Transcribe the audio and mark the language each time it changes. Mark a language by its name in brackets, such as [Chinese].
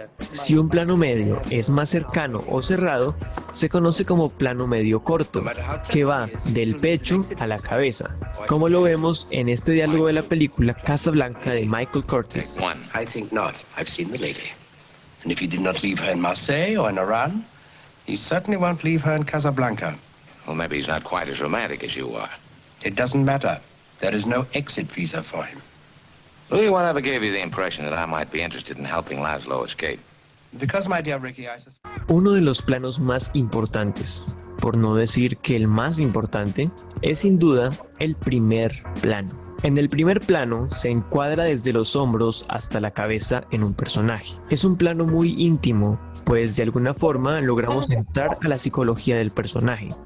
[Spanish] Si un plano medio es más cercano o cerrado, se conoce como plano medio corto, que va del pecho a la cabeza, como lo vemos en este diálogo de la película Casablanca de Michael Curtis. [English] I think not. I've seen the lady. And if he did not leave her in Marseille or in Iran, he certainly won't leave her in Casablanca. Well, maybe he's not quite as romantic as you are. It doesn't matter. There is no exit visa for him. Louis, what ever gave you the impression that I might be interested in helping Laszlo escape? Because, my dear Ricky, I suspect... [Spanish] Uno de los planos más importantes, por no decir que el más importante, es sin duda el primer plano. En el primer plano se encuadra desde los hombros hasta la cabeza en un personaje. Es un plano muy íntimo, pues de alguna forma logramos entrar a la psicología del personaje.